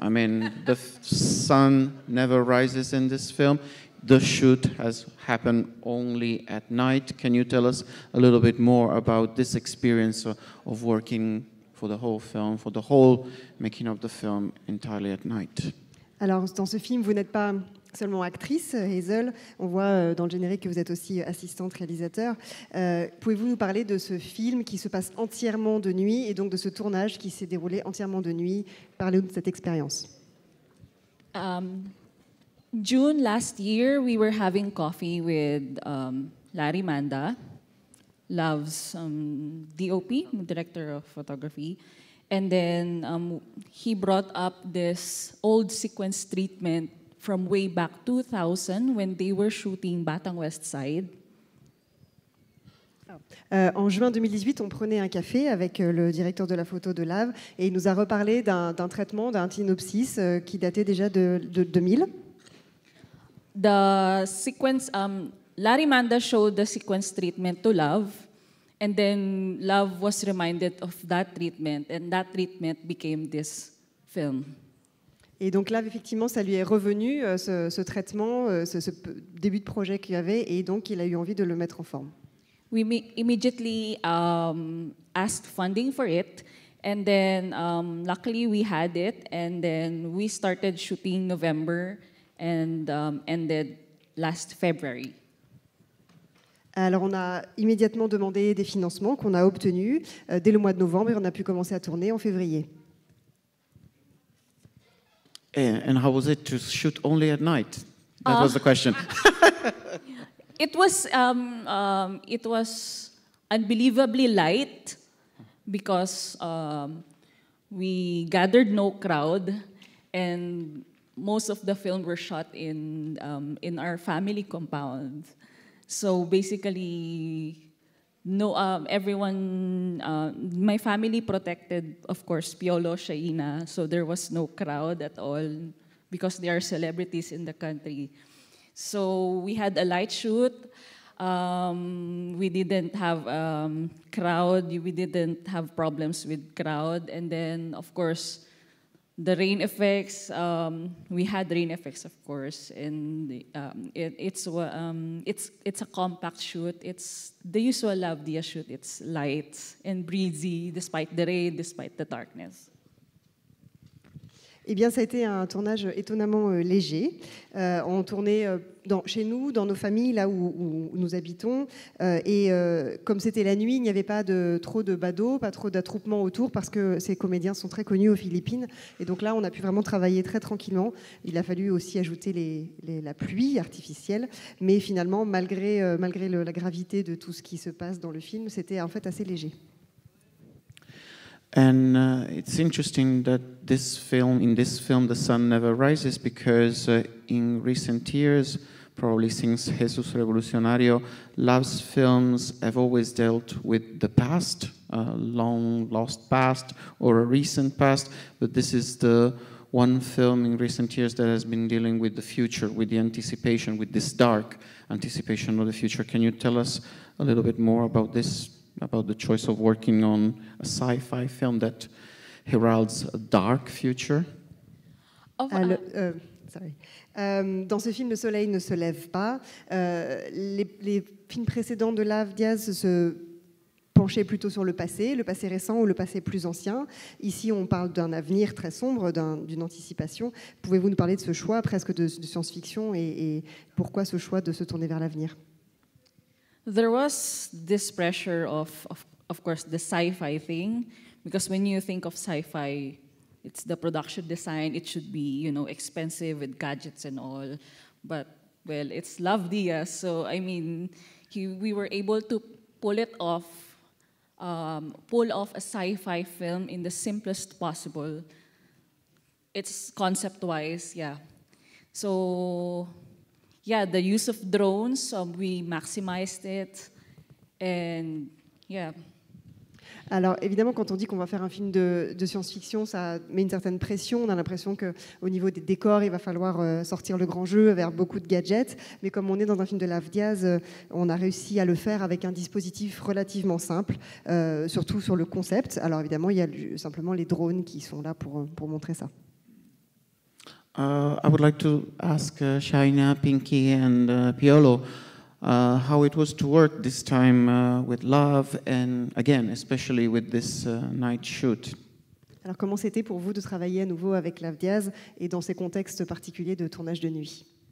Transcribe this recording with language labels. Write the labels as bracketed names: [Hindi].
[English] I mean, the sun never rises in this film. The shoot has happened only at night. Can you tell us a little bit more about this experience of working for the whole film, for the whole making of the film entirely at night? [French] Alors, dans ce film, vous n'êtes pas seulement actrice, Hazel. On voit dans le générique que vous êtes aussi assistante réalisateur. Pouvez-vous nous parler de ce film qui se passe entièrement de nuit et donc de ce tournage qui s'est déroulé entièrement de nuit? Parlez-nous de cette expérience. [English] June last year, we were having coffee with Larry Manda, Love's DOP, director of photography. And then he brought up this old sequence treatment from way back 2000 when they were shooting Batang West Side. [French] En juin 2018, on prenait un café avec le directeur de la photo de Love et il nous a reparlé d'un traitement, d'un synopsis qui datait déjà de 2000. [English] The sequence, Larry Manda showed the sequence treatment to Love, and then Love was reminded of that treatment, and that treatment became this film. [French] Et donc Love, effectivement, ça lui est revenu, ce traitement, ce début de projet qu'il avait, et donc il a eu envie de le mettre en forme. [English] We immediately asked funding for it, and then luckily we had it, and then we started shooting November, and ended last February. [French] Alors on a immédiatement demandé des financements qu'on a obtenus dès le mois de novembre et on a pu commencer à tourner en février. [English] And how was it to shoot only at night? That was the question. it was unbelievably light because we gathered no crowd and most of the film were shot in our family compound. So basically, my family protected, of course, Piolo, Shaina, so there was no crowd at all because they are celebrities in the country. So we had a light shoot. We didn't have crowd. We didn't have problems with crowd. And then, of course, the rain effects, we had rain effects, of course, and it's a compact shoot. It's the usual Love Dia shoot. It's light and breezy, despite the rain, despite the darkness. [French] Eh bien, ça a été un tournage étonnamment léger. On tournait chez nous, dans nos familles, là où nous habitons. Comme c'était la nuit, il n'y avait pas trop de badauds, pas trop d'attroupements autour, parce que ces comédiens sont très connus aux Philippines. Et donc là, on a pu vraiment travailler très tranquillement. Il a fallu aussi ajouter la pluie artificielle. Mais finalement, malgré la gravité de tout ce qui se passe dans le film, c'était en fait assez léger. [English] And it's interesting that in this film, the sun never rises because in recent years, probably since Jesus Revolucionario, Love's films have always dealt with the past, a long lost past or a recent past. But this is the one film in recent years that has been dealing with the future, with the anticipation, with this dark anticipation of the future. Can you tell us a little bit more about this? About the choice of working on a sci-fi film that heralds a dark future. [French] Dans ce film, le soleil ne se lève pas. Les films précédents de Love Diaz se penchaient plutôt sur le passé récent ou le passé plus ancien. Ici, on parle d'un avenir très sombre, d'une anticipation. Pouvez-vous nous parler de ce choix, presque de science-fiction, et pourquoi ce choix de se tourner vers l'avenir? [English] There was this pressure of course, the sci-fi thing, because when you think of sci-fi, it's the production design. It should be, you know, expensive with gadgets and all. But, well, it's Love Dia. So, I mean, we were able to pull off a sci-fi film in the simplest possible. It's concept-wise, yeah. So, yeah, the use of drones, we maximized it. And yeah. [French] Alors évidemment, quand on dit qu'on va faire un film de science-fiction, ça met une certaine pression. On a l'impression qu'au niveau des décors, il va falloir sortir le grand jeu avec beaucoup de gadgets. Mais comme on est dans un film de Lav Diaz, on a réussi à le faire avec un dispositif relativement simple, surtout sur le concept. Alors évidemment, il y a simplement les drones qui sont là pour montrer ça. [English] I would like to ask Shaina, Pinky and Piolo, how it was to work this time with Love and again, especially with this night shoot. [French] Alors, comment c'était pour vous de travailler à nouveau avec Lav Diaz et dans ces contextes particuliers de tournage de nuit?